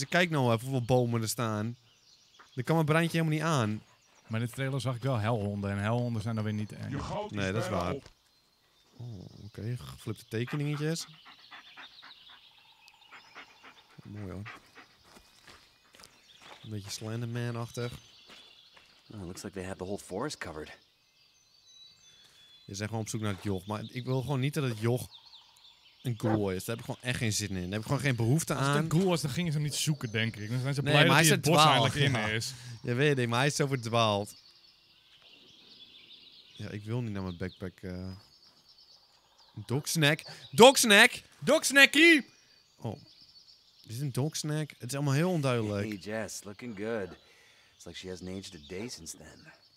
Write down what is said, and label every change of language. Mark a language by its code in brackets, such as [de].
[nl] Ik kijk nou even hoeveel bomen er staan. Dan kan mijn breintje helemaal niet aan. Maar in de trailer zag ik wel helhonden. En helhonden zijn dan weer niet eng. Nee, dat is waar. Oh, oké, geflipte tekeningetjes. Mooi, hoor. Een beetje Slenderman-achtig. [en] Oh, looks like they have the whole forest covered. [nl] Ze zijn gewoon op zoek naar het joch, maar ik wil gewoon niet dat het joch een ghoul is. Daar heb ik gewoon echt geen zin in. Daar heb ik gewoon geen behoefte aan. Als het een ghoul is, dan gingen ze hem niet zoeken, denk ik. Dan zijn ze blij dat hij het bos eigenlijk in is. Ja, weet je, maar hij is zo verdwaald. Ja, ik wil niet naar mijn backpack. [en] Dogsnack. Dogsnack! Dogsnackie! [nl] Oh. Is dit een dog snack? Het is allemaal heel onduidelijk. [en] Hey Jess, looking good. It's like she hasn't aged a day since then.